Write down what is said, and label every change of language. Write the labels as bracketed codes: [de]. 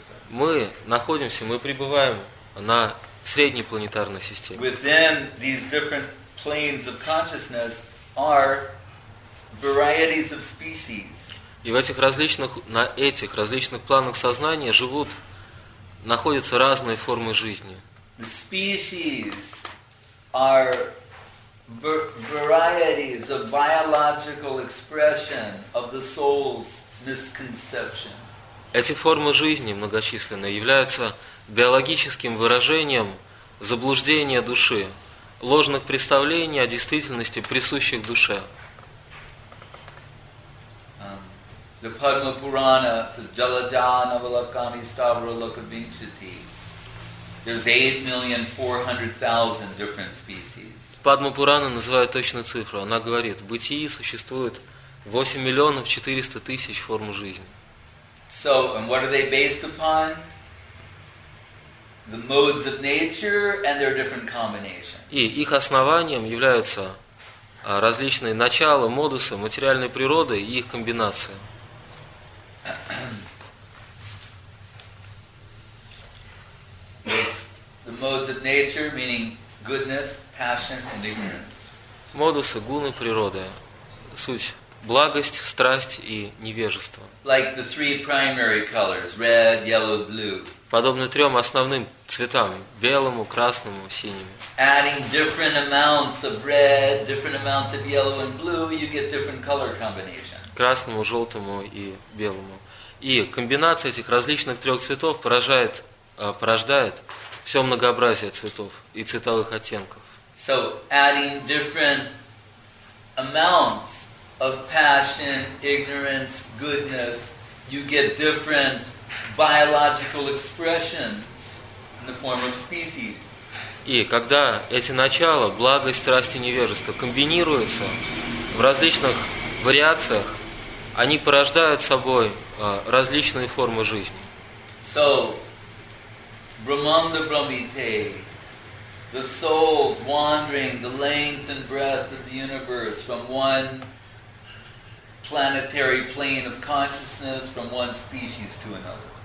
[ru] Мы находимся, мы пребываем на средней планетарной системе. [en] Within these different planes of consciousness are varieties of species. [ru] И в этих различных, на этих различных планах сознания живут, находятся разные формы жизни. [en] The species are varieties of biological expression of the soul's misconception. [ru] Эти формы жизни многочисленные являются биологическим выражением заблуждения души, ложных представлений о действительности, присущих душе. [en] The Padma Purana says [sa] Jalaja Navalakani Stavra Lokabhinshati. [en] There's 8,400,000 different species. [ru] Падма Пурана называет точную цифру. Она говорит, в бытии существует 8 миллионов 400 тысяч форм жизни. [en] So, and what are they based upon? The modes of nature and their different combinations. [ru] И их основанием являются различные начала, модусы, материальной природы и их комбинации. [en] The modes of nature, meaning goodness, passion, and ignorance. [ru] Модусы, гуны природы. Суть – благость, страсть и невежество. [en] Like the three primary colors, red, yellow, blue. [ru] Подобно трем основным цветам – белому, красному, синему. [en] Adding different amounts of red, different amounts of yellow and blue, you get different color combinations. [ru] Красному, желтому и белому. И комбинация этих различных трех цветов порождает все многообразие цветов и цветовых оттенков. [en] So, adding different amounts of passion, ignorance, goodness, you get different biological expressions in the form of species. [ru] И когда эти начала, благость, страсть и невежество, комбинируются в различных вариациях, они порождают собой различные формы жизни. [en] So, Brahmanda Brahmite, the souls wandering the length and breadth of the universe from one planetary plane of consciousness, from one species to another.